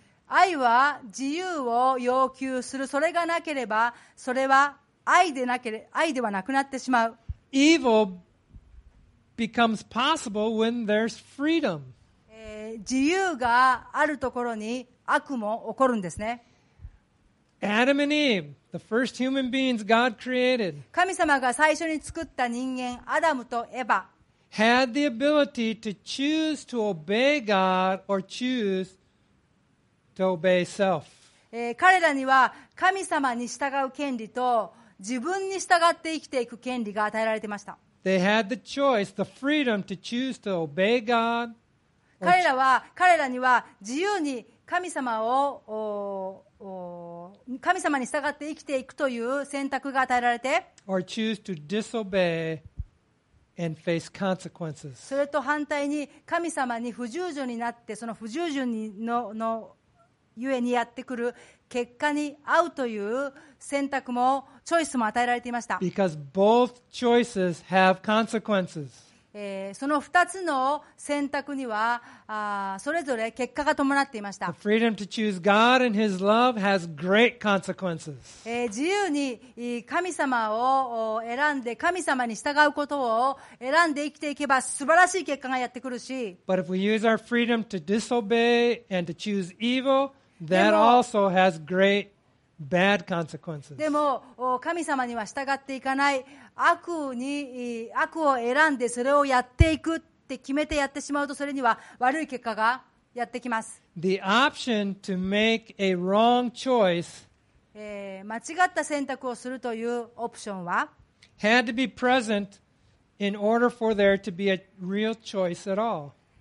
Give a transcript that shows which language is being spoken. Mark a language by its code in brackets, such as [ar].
[ja] 愛は自由を要求する。それがなければそれは愛ではなくなってしまう。 [en] Evil becomes possible when there's freedom. [ja] 自由があるところに悪も起こるんですね。 [en] Adam and Eve, the first human beings God created, [ja] 神様が最初に作った人間アダムとエヴァ [en] had the ability to choose to obey God or choose to obey self. [ja] 彼らには神様に従う権利と自分に従って生きていく権利が与えられていました。 [en] They had the choice, the freedom to choose to obey God. [ja] 彼らには自由に神様を神様に従って生きていくという選択が与えられて、 [en] Or choose to disobey and face consequences. [ja] それと反対に神様に不従順になってその不従順のゆえにやってくる結果に遭うという選択もチョイスも与えられていました。 [en] Because both choices have consequences. [ja] その二つの選択にはそれぞれ結果が伴っていました。 [en] The freedom to choose God and His love has great consequences. [ja] 自由に神様を選んで神様に従うことを選んで生きていけば素晴らしい結果がやってくるし。 [en] But if we use our freedom to disobey and to choose evil, that also has great bad consequences. [ja] でも神様には従っていかない。悪を選んでそれをやっていくって決めてやってしまうとそれには悪い結果がやってきます。 [en] The option to make a wrong choice [ja] 間違った選択をするというオプションは [en] had to be present in order for there to be a real choice at all.